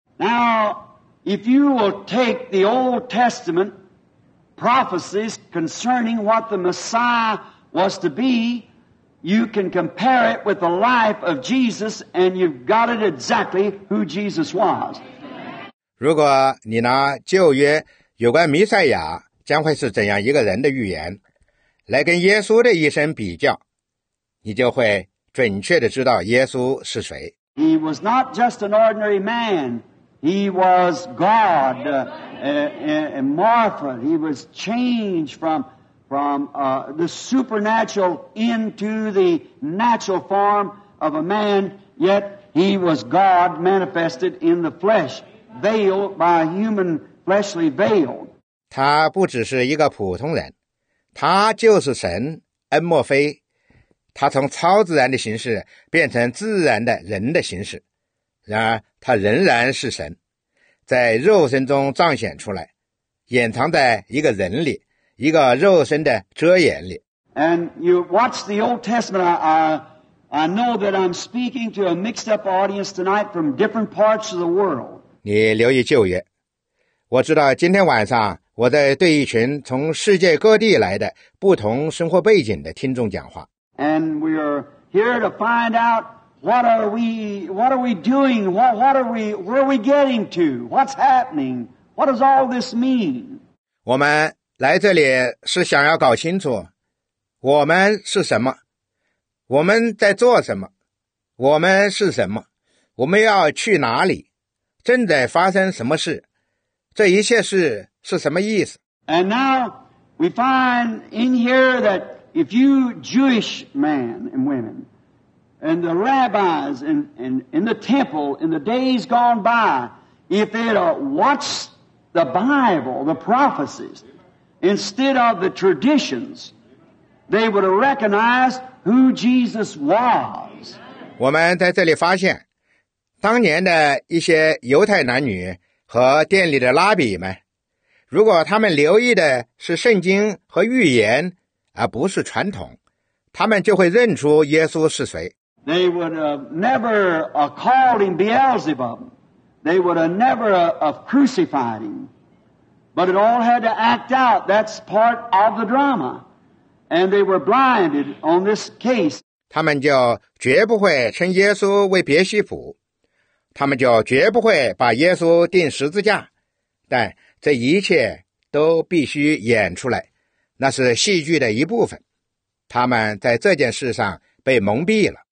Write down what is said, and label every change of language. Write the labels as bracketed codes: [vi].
[en] Now, if you will take the Old Testament prophecies concerning what the Messiah was to be,You can compare it with the life of Jesus, and you've got it exactly who Jesus was. [zh] 如果你拿旧约有关弥赛亚将会是怎样一个人的预言，来跟耶稣的一生比较，你就会准确地知道耶稣是谁。 [en] He was not just an ordinary man. He was God, amorphous. He was changed from the supernatural into the natural form of a man, yet he was God manifested in the flesh, veiled by a human fleshly veil. [zh] 他不只是一个普通人，他就是神，恩莫非。他从超自然的形式变成自然的人的形式，然而他仍然是神，在肉身中彰显出来，掩藏在一个人里。一个肉身的遮掩里。 [en] And you watch the Old Testament. I know that I'm speaking to a mixed-up audience tonight from different parts of the world. [zh] 你留意旧约，我知道今天晚上我在对一群从世界各地来的不同生活背景的听众讲话。 [en] And we are here to find out what are we doing? Where are we getting to? What's happening? What does all this mean? [zh] 我们来这里是想要搞清楚我们是什么，我们在做什么，我们是什么，我们要去哪里，正在发生什么事，这一切事是什么意思。 [en] And now we find in here that if you Jewish men and women and the rabbis and in the temple in the days gone by, if they'd watch the Bible, the prophecies,Instead of the traditions, they would have recognized who Jesus was. [zh] 我们在这里发现，当年的一些犹太男女和殿里的拉比们，如果他们留意的是圣经和预言，而不是传统，他们就会认出耶稣是谁。 [en] They would have never called him Beelzebub. They would have never crucified him. But it all had to act out. That's part of the drama. And they were blinded on this case. [zh] 他们就绝不会称耶稣为别西卜，他们就绝不会把耶稣钉十字架，但这一切都必须演出来，那是戏剧的一部分。他们在这件事上被蒙蔽了。